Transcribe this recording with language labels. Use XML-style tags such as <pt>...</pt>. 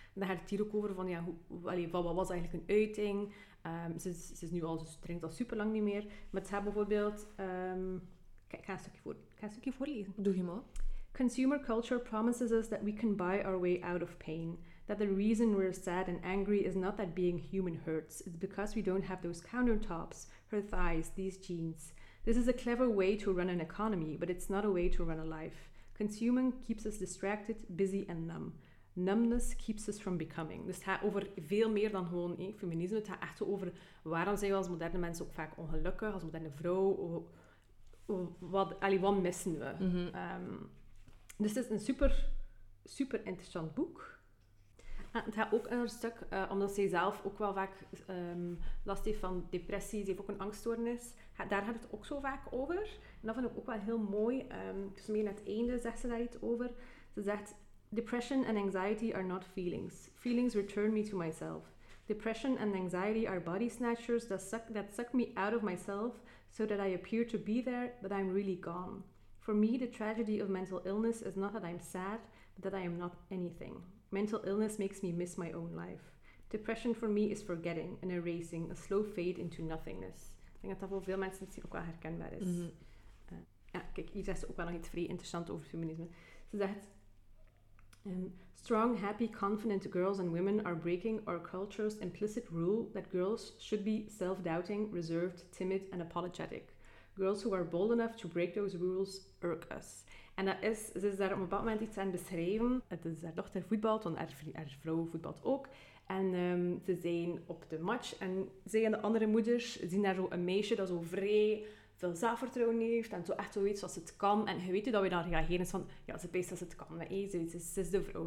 <nl>En dan gaat het hier ook over van, wat was eigenlijk een uiting? Ze drinkt al super lang niet meer. Maar het gaat bijvoorbeeld... ga een stukje voor, ga een stukje voorlezen. Doe je maar.</nl> <en>Consumer culture promises us that we can buy our way out of pain. That the reason we're sad and angry is not that being human hurts. It's because we don't have those countertops, her thighs, these jeans. This is a clever way to run an economy, but it's not a way to run a life. Consuming keeps us distracted, busy and numb. Numbness keeps us from becoming.</en> <nl>Dus het gaat over veel meer dan gewoon feminisme. Het gaat echt over waarom zijn we als moderne mensen ook vaak ongelukkig, als moderne vrouw. Wat missen we? Mm-hmm. Dus het is een super, super interessant boek. En het gaat ook een stuk, omdat zij zelf ook wel vaak last heeft van depressie. Ze heeft ook een angststoornis. Daar gaat het ook zo vaak over. En dat vind ik ook wel heel mooi. Dus meer naar het einde zegt ze daar iets over. Ze zegt...</nl> <en>Depression and anxiety are not feelings. Feelings return me to myself. Depression and anxiety are body snatchers that suck me out of myself so that I appear to be there, but I'm really gone. For me, the tragedy of mental illness is not that I'm sad, but that I am not anything. Mental illness makes me miss my own life. Depression for me is forgetting, an erasing, a slow fade into nothingness.</en> <nl>Ik denk dat dat voor veel mensen misschien ook wel herkenbaar is. Mm-hmm. Ja, kijk, hier zegt ze ook wel nog iets vrij interessants over feminisme. Ze zegt...</nl> <en>strong, happy, confident girls and women are breaking our culture's implicit rule that girls should be self-doubting, reserved, timid and apologetic. Girls who are bold enough to break those rules irk us.</en> <nl>En dat is, ze is daar op een bepaald moment iets aan beschreven. Het is haar dochter voetbalt, want haar vrouw voetbalt ook. En ze zijn op de match en zij en de andere moeders zien daar zo een meisje dat zo vrij veel zelfvertrouwen heeft en zo echt zo weet zoals het kan. En je weet dat we dan reageren is van, ja, ze weet dat het kan. Ze is de vrouw.</nl>